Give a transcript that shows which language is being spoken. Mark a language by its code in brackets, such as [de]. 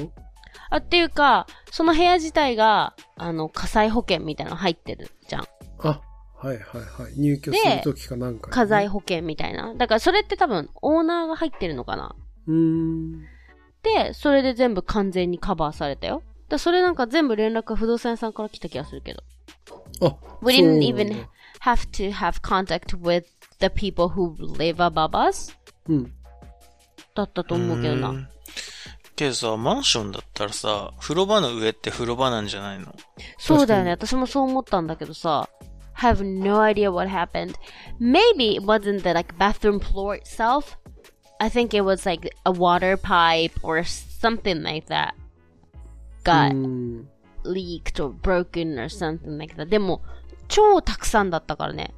[ja] うん、あ、っていうか、その部屋自体が、火災保険みたいなの入ってるじゃん。あ、はいはいはい。入居するときかなんか、ね。家財保険みたいな。だからそれって多分オーナーが入ってるのかな。で、それで全部完全にカバーされたよ。だそれなんか全部連絡が不動産屋さんから来た気がするけど。あ、 [en] We didn't even have to have contact with the people who live above us. [ja] うん。だったと思うけどな。けどさ、マンションだったらさ、風呂場の上って風呂場なんじゃないの？そうだよね。私もそう思ったんだけどさ。 [en] Have no idea what happened. Maybe it wasn't the like bathroom floor itself. I think it was like a water pipe or something like that got leaked or broken or something like that. [ja] でも超たくさんだったからね。